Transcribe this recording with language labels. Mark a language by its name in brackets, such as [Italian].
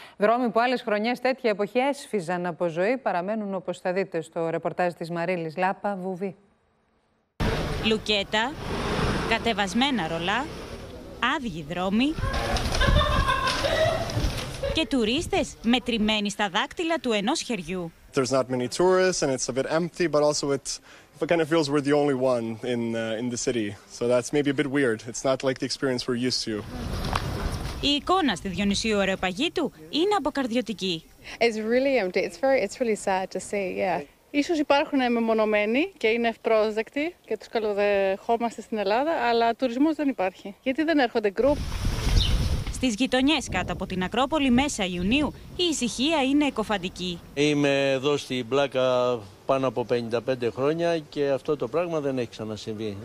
[Greek] Δρόμοι που άλλες χρονιές τέτοια εποχή έσφιζαν από ζωή παραμένουν, όπως θα δείτε στο ρεπορτάζ της Μαρίλης Λάπα Βουβή. Λουκέτα, κατεβασμένα ρολά, άδειοι δρόμοι και τουρίστες μετρημένοι στα δάκτυλα του ενός χεριού. [English] There's not many tourists and it's a bit empty, but also it kind of feels we're the only one in the city. So that's maybe a bit weird. It's not like the experience we're used to. [Greek] Η εικόνα στη Διονυσίου Αρεοπαγίτου είναι αποκαρδιωτική. [English] It's really empty. It's really sad to see. Yeah. [Greek] Ίσως υπάρχουν μεμονωμένοι και είναι ευπρόσδεκτοι και τους καλοδεχόμαστε στην Ελλάδα, αλλά τουρισμός δεν υπάρχει. Γιατί δεν έρχονται γκρουπ. Στις γειτονιές κάτω από την Ακρόπολη μέσα Ιουνίου η ησυχία είναι εκοφαντική. Είμαι εδώ στην Πλάκα πάνω από 55 χρόνια και αυτό το πράγμα δεν έχει ξανασυμβεί.